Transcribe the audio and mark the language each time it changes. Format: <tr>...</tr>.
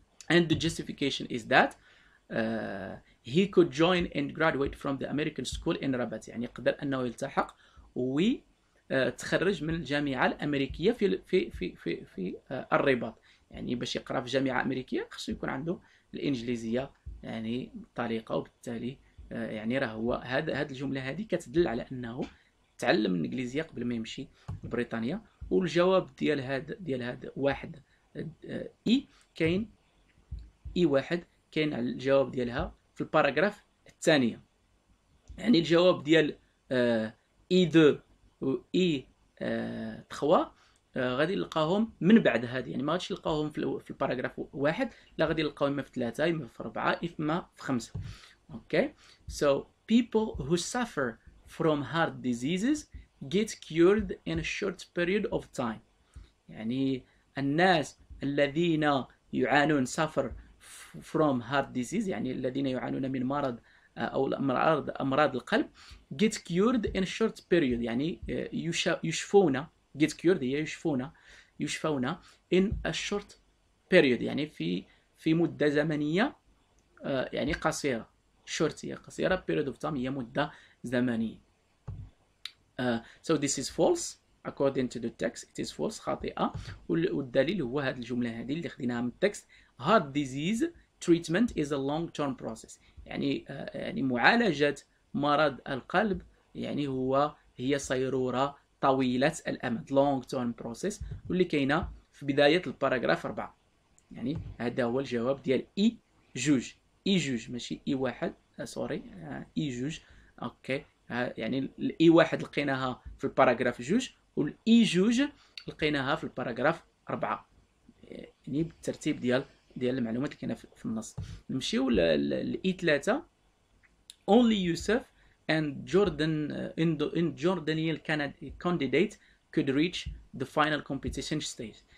<en>And the justification is that he could join and graduate from the American school in Rabat.</en> <ar>يعني قدر أنه يلتحق وتخرج من الجامعة الأمريكية في في في في في الرباط. يعني باش يقرأ في جامعة أمريكية خصو يكون عنده الإنجليزية يعني طريقة، وبالتالي يعني راه هو هاد الجملة هذه كتدل على أنه تعلم الإنجليزية قبل ما يمشي لبريطانيا. والجواب ديال هاد واحد إي كاين اي واحد كاين على الجواب ديالها في الباراجراف الثانيه، يعني الجواب ديال اي 2 و اي 3 غادي نلقاهم من بعد هذه، يعني ما غاديش نلقاهم في الباراجراف واحد، لا غادي نلقاهم في 3 اما في 4 اما في 5.</ar> <en>Okay, so people who suffer from heart diseases get cured in a short period of time.</en> <ar>يعني الناس الذين يعانون</ar> <en>suffer from heart disease،</en> <ar>يعني الذين يعانون من مرض او امراض القلب،</ar> <en>get cured in a short period،</en> <ar>يعني يشفون،</ar> <en>get cured</en> <ar>هي يشفون</ar> <en>in a short period،</en> <ar>يعني في مده زمنيه يعني قصيره، short هي قصيره،</ar> <en>period of time</en> <ar>هي مده زمنيه.</ar> <en>So this is false according to the text. It is false</en> <ar>خاطئة. والدليل هو هاد الجملة هذه اللي خديناها من التكست.</ar> <en>Heart disease treatment is a long-term process.</en> <ar>يعني يعني معالجة مرض القلب يعني هو هي صيرورة طويلة الأمد.</ar> <en>Long-term process.</en> <ar>واللي كينا في بداية الباراجراف 4. يعني هذا هو الجواب ديال إي جوج. إي جوج ماشي إي واحد. سوري. إي جوج. أوكي. يعني الإي واحد لقيناها في الباراجراف جوج. والإي جوج لقيناها في الباراجراف 4. يعني بالترتيب ديال ديال المعلومات اللي كاينه في النص. نمشيو للاي 3.</ar> <en>Only Yusuf and Jordan in Jordanian candidate could reach the final competition stage.</en>